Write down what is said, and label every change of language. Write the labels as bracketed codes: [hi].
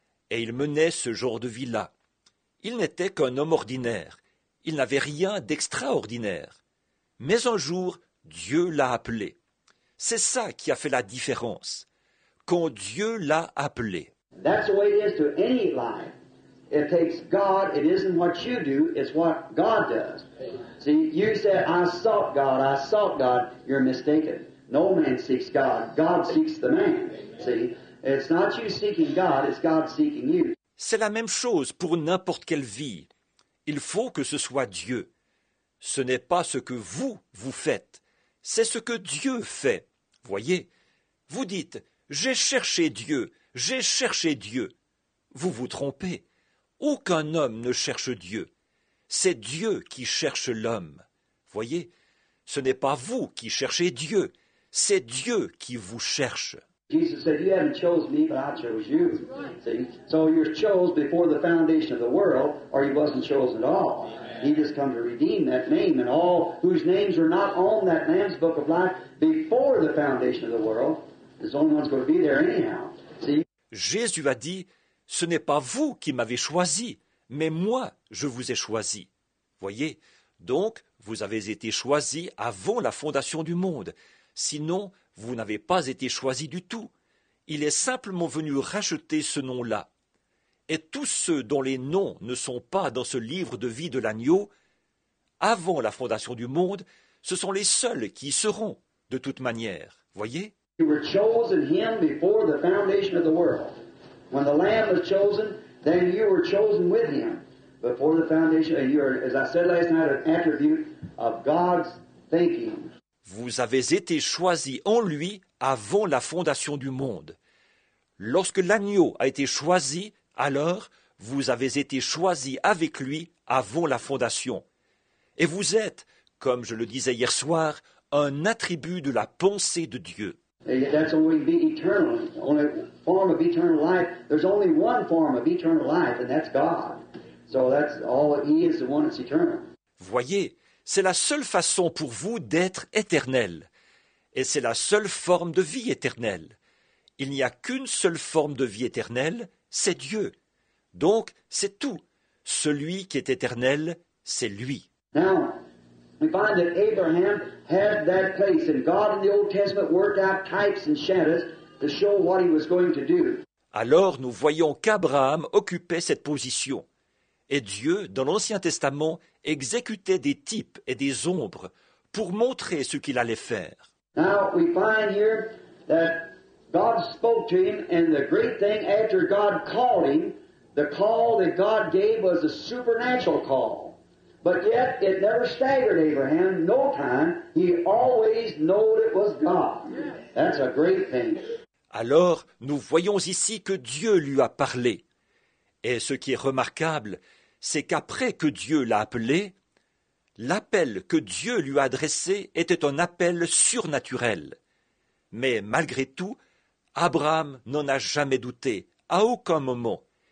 [fr] Et il menait ce genre de vie-là. Il n'était qu'un homme ordinaire. Il n'avait rien d'extraordinaire. Mais un jour, Dieu l'a appelé. C'est ça qui a fait la différence. Quand Dieu l'a appelé. [en] That's the way it is to any life. It takes God. It isn't what you do. It's what God does. See, you said, I sought God. I sought God. You're mistaken. No man seeks God. God seeks the man. See, it's not you seeking God. It's God seeking you. [fr] C'est la même chose pour n'importe quelle vie. Il faut que ce soit Dieu. Ce n'est pas ce que vous, vous faites. C'est ce que Dieu fait. Voyez, vous dites, « J'ai cherché Dieu, j'ai cherché Dieu. » Vous vous trompez. Aucun homme ne cherche Dieu. C'est Dieu qui cherche l'homme. Voyez, ce n'est pas vous qui cherchez Dieu. C'est Dieu qui vous cherche. [en] Jesus said, you haven't chosen me, but I chose you. See? So you're chosen before the foundation of the world, or you wasn't chosen at all. He just come to redeem that name, and all whose names are not on that Lamb's Book of Life before the foundation of the world, the only one's going to be there anyhow. See? [fr] Jésus a dit, ce n'est pas vous qui m'avez choisi, mais moi, je vous ai choisi. Voyez, donc, vous avez été choisi avant la fondation du monde. Sinon, vous n'avez pas été choisi du tout. Il est simplement venu racheter ce nom-là. Et tous ceux dont les noms ne sont pas dans ce livre de vie de l'agneau, avant la fondation du monde, ce sont les seuls qui y seront, de toute manière. Voyez. [en] You were chosen him before the foundation of the world. When the Lamb was chosen, then you were chosen with him before the foundation. And you are, as I said last night, an attribute of God's thinking. [fr] Vous avez été choisi en lui avant la fondation du monde. Lorsque l'agneau a été choisi, alors vous avez été choisi avec lui avant la fondation. Et vous êtes, comme je le disais hier soir, un attribut de la pensée de Dieu. [en] That's the way to be eternal. Only form of eternal life. There's only one form of eternal life, and that's God. So that's all he is, the one that's eternal. [fr] Voyez, c'est la seule façon pour vous d'être éternel. Et c'est la seule forme de vie éternelle. Il n'y a qu'une seule forme de vie éternelle, c'est Dieu. Donc, c'est tout. Celui qui est éternel, c'est lui. [en] Now, we find that Abraham had that place, and God in the Old Testament worked out types and shadows to show what he was going to do. [fr] Alors, nous voyons qu'Abraham occupait cette position. Et Dieu, dans l'Ancien Testament, exécutait des types et des ombres pour montrer ce qu'il allait faire. [en] Now we find here that God spoke to him, and the great thing after God called him, the call that God gave was a supernatural call. But yet it never staggered Abraham, no time. He always knew it was God. That's a great thing. [fr] Alors, nous voyons ici que Dieu lui a parlé. Et ce qui est remarquable, c'est qu'après que Dieu l'a appelé, l'appel que Dieu lui a adressé était un appel surnaturel. Mais malgré tout, Abraham n'en a jamais douté, à aucun moment.